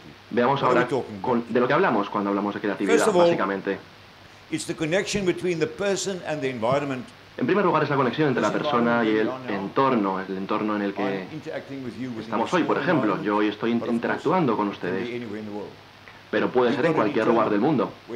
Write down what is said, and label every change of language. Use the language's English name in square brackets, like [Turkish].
[Spanish] Veamos ahora de lo que hablamos cuando hablamos de creatividad, básicamente. [English] It's the connection between the person and the environment. [Spanish] En primer lugar, es la conexión entre la persona y el entorno en el que estamos hoy. Por ejemplo, yo hoy estoy interactuando con ustedes, pero puede ser en cualquier lugar del mundo.